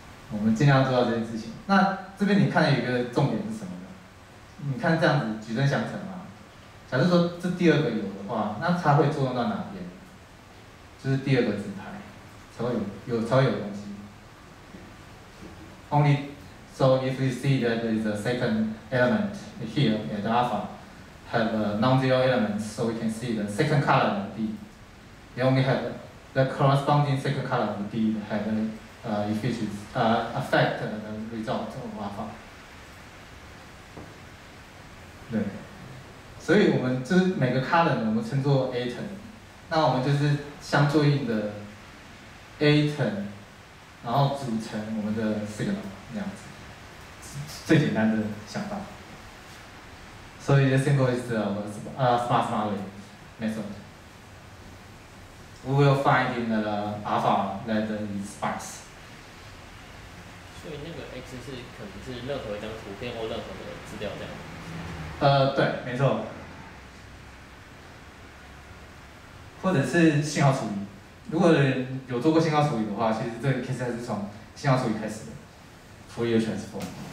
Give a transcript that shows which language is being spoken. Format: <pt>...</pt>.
<zh>我们尽量做到这件事情。那这边你看有一个重点是什么呢？你看这样子矩阵相乘嘛，假设说这第二个有的话，那它会作用到哪边？就是第二个子台，才会有东西。</zh> <en>Only。 So if you see that there is a second element here at alpha have a non-zero element, so we can see the second column of D. They only have the corresponding second column of D have affect the result of alpha.</en> <zh>对，所以我们就是每个 column 我们称作 A turn， 那我们就是相对应的 A turn， 然后组成我们的 signal 这样子。最简单的想法，所以</zh> <en>the single is the sparse modeling method. We will find in the alpha that it is sparse.</en> <zh>所以那个 x 是可能是任何一张图片或任何的资料这样。对，没错。或者是信号处理，如果有做过信号处理的话，其实这个 case 还是从信号处理开始的 ，Fourier transform。</zh>